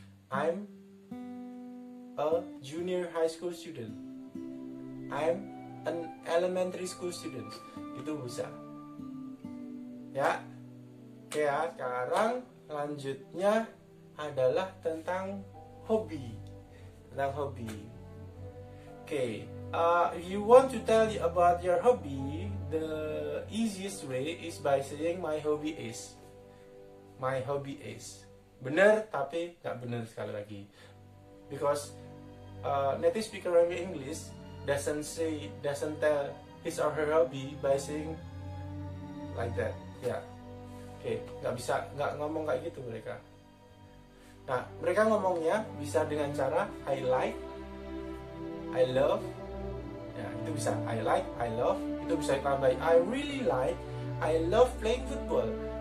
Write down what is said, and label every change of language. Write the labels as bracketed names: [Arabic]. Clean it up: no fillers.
[English] I'm a junior high school student. I'm an elementary school student. [Indonesian] Itu bisa. Ya. Oke ya, sekarang lanjutnya adalah tentang hobi. Tentang hobi. [English] Oke, if you want to tell you about your hobby, the easiest way is by saying my hobby is. My hobby is. [Indonesian] Benar, tapi nggak benar sekali lagi. [English] Because native speaker of English doesn't tell his or her hobby by saying like that. [Indonesian] Yeah. Okay, nggak bisa, nggak ngomong kayak gitu mereka. Nah, mereka ngomongnya bisa dengan cara I like, I love. Ya, itu bisa. I like, I love. Itu bisa ditambahin [English] I really like, I love playing football.